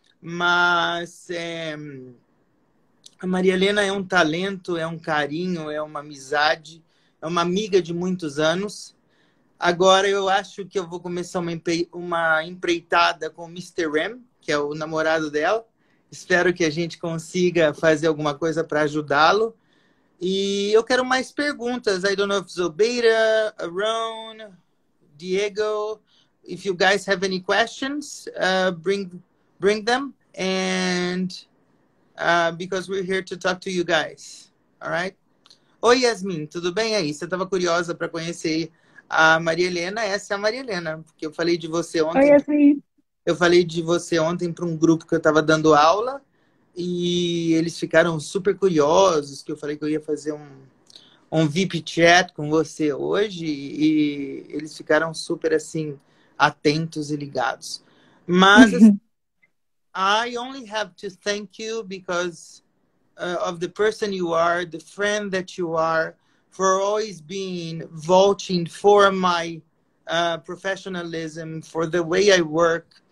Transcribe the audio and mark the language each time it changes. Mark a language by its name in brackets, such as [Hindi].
[Portuguese] Mas a Maria Helena é um talento, é um carinho, é uma amizade, é uma amiga de muitos anos. Agora eu acho que eu vou começar uma empreitada com o Mr. Ram, que é o namorado dela. Espero que a gente consiga fazer alguma coisa para ajudá-lo. E eu quero mais perguntas. [English] I don't know if Zobeira, Aron, Diego, if you guys have any questions, bring them. And because we're here to talk to you guys. All right? [Portuguese] Oi, Yasmin, tudo bem aí? Você estava curiosa para conhecer a Maria Helena? Essa é a Maria Helena, porque eu falei de você ontem. Oi, Yasmin. Eu falei de você ontem para um grupo que eu estava dando aula. E eles ficaram super curiosos, que eu falei que eu ia fazer um VIP chat com você hoje, e eles ficaram super, assim, atentos e ligados. [English] Mas, I only have to thank you because of the person you are, the friend that you are, for always being vouching for my professionalism, for the way I work.